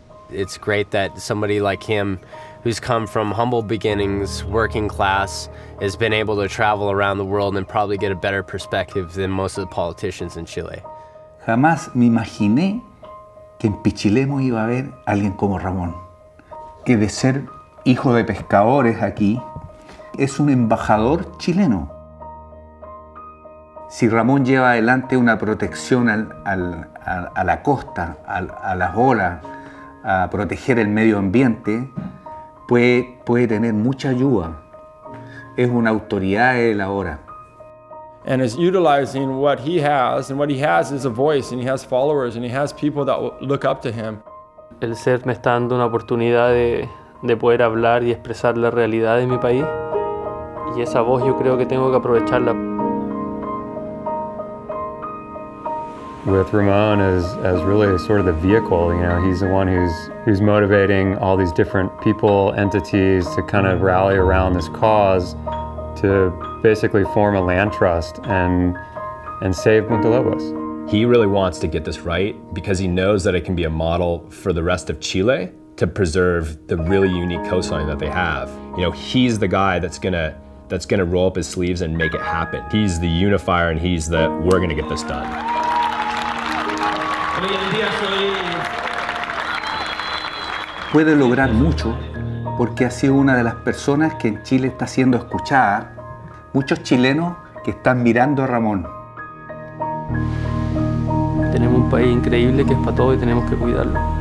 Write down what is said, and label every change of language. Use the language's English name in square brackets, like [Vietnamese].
[English] It's great that somebody like him, who's come from humble beginnings, working class, has been able to travel around the world and probably get a better perspective than most of the politicians in Chile. [Spanish] Jamás me imaginé que en Pichilemu iba a haber alguien como Ramón. Que de ser hijo de pescadores aquí, es un embajador chileno. Si Ramón lleva adelante una protección a la costa, a las olas, a proteger el medio ambiente, puede tener mucha ayuda. Es una autoridad de la hora. [English] And is utilizing what he has, and what he has is a voice, and he has followers, and he has people that look up to him. [Spanish] El ser me está dando una oportunidad de poder hablar y expresar la realidad de mi país. Y esa voz yo creo que tengo que aprovecharla. [English] With Ramon as really sort of the vehicle, you know, he's the one who's motivating all these different people, entities to kind of rally around this cause to basically form a land trust and save Punta Lobos. He really wants to get this right because he knows that it can be a model for the rest of Chile to preserve the really unique coastline that they have. You know, he's the guy that's gonna roll up his sleeves and make it happen. He's the unifier and he's the, we're gonna get this done. [Spanish] Puede lograr mucho porque ha sido una de las personas que en Chile está siendo escuchada. Muchos chilenos que están mirando a Ramón. Tenemos un país increíble que es para todos y tenemos que cuidarlo.